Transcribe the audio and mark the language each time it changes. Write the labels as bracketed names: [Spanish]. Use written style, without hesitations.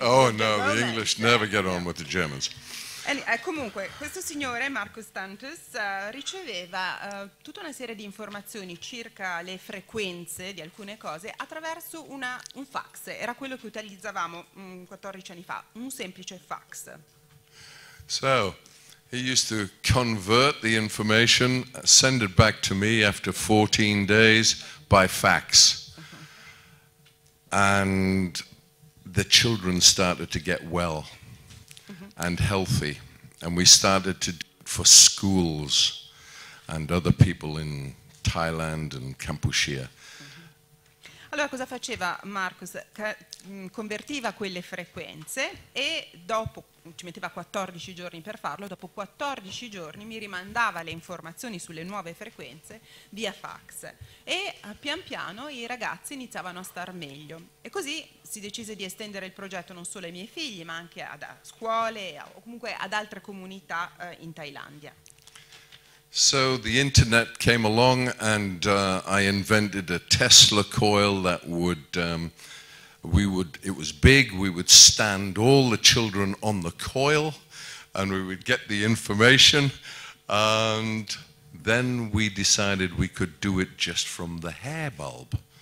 [English] Oh no, the English never get on with the Germans. [Italian] Comunque, questo signore, Marcus Stantus, riceveva tutta una serie di informazioni circa le frequenze di alcune cose attraverso un fax. Era quello che utilizzavamo 14 anni fa, un semplice fax. [English] So, he used to convert the information, send it back to me after 14 days by fax. And the children started to get well and healthy. And we started to do it for schools and other people in Thailand and Kampuchea. [Italian] Allora, cosa faceva Marcus? Convertiva quelle frequenze e dopo, ci metteva 14 giorni per farlo, dopo 14 giorni mi rimandava le informazioni sulle nuove frequenze via fax. E pian piano i ragazzi iniziavano a star meglio. E così si decise di estendere il progetto non solo ai miei figli, ma anche ad scuole o comunque ad altre comunità in Thailandia. [English] So the internet came along and I invented a Tesla coil that would it was big, we would stand all the children on the coil and we would get the information, and then we decided we could do it just from the hair bulb.